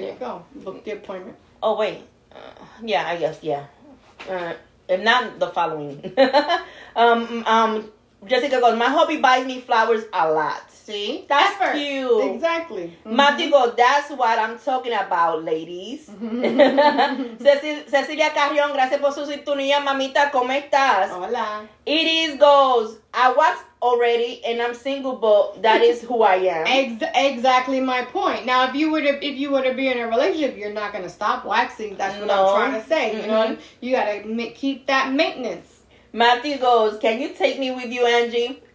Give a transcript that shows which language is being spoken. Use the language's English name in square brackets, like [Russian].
[English] There you go. Book the appointment. Oh, wait. If not the following. Jessica goes, my hubby buys me flowers a lot. See? That's effort. Cute. Exactly. Mm-hmm. Matthew goes, that's what I'm talking about, ladies. [Spanish] Cecilia Carrion, gracias por su sintonía, mamita, ¿cómo estás? Hola. [English] It is goes, I was already and I'm single, but that is who I am. Exactly my point. Now, if you were to be in a relationship, you're not going to stop waxing. That's what no. I'm trying to say. Mm-hmm. You know, you got to keep that maintenance. Matthew goes, can you take me with you, Angie?